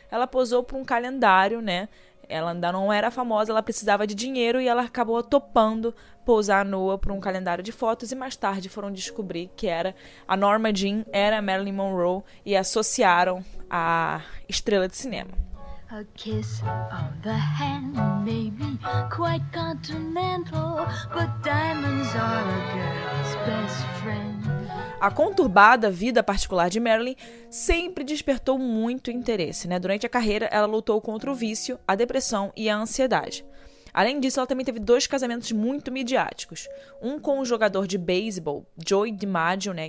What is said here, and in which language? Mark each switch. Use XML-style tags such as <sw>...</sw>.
<pt>Ela posou para um calendário, né? Ela ainda não era famosa, ela precisava de dinheiro e ela acabou topando pousar nua para um calendário de fotos. E mais tarde foram descobrir que era a Norma Jean, era a Marilyn Monroe e associaram a estrela de cinema.</pt> <en>A kiss on the hand may be quite continental, but diamonds are a girl's best friend.</en> <pt>A conturbada vida particular de Marilyn sempre despertou muito interesse, né? Durante a carreira, ela lutou contra o vício, a depressão e a ansiedade. Além disso, ela também teve dois casamentos muito midiáticos. Um com o jogador de beisebol, Joey DiMaggio, né?</pt>